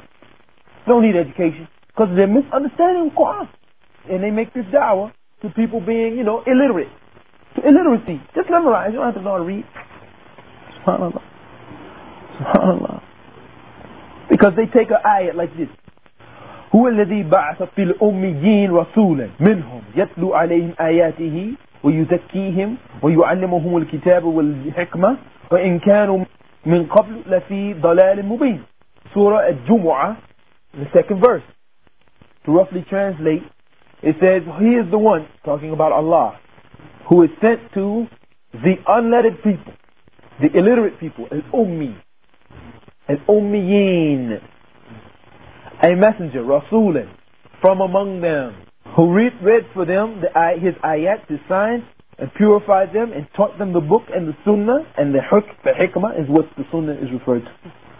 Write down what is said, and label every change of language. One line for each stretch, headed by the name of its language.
English: We don't need education. Because of their misunderstanding of the Quran. And they make this da'wah to people being, you know, illiterate. illiteracy. Just memorize. You don't have to know how to read. SubhanAllah. SubhanAllah. Because they take an ayat like this.
Arabic: هو الذي بعث في الأميين رسولا منهم يتلو عليهم آياته ويزكيهم ويعلمهم الكتاب والحكمة وإن كانوا من قبل لفي ضلال مبين.
English: Surah Al-Jumu'ah, the second verse. To roughly translate, it says, he is the one, talking about Allah, who is sent to the unlettered people, the illiterate people, Al-Ummi, Al-Ummiyin, a messenger, Rasulun, from among them, who read for them his ayat, his signs, and purified them, and taught them the book and the sunnah, and the hikmah is what the sunnah is referred to.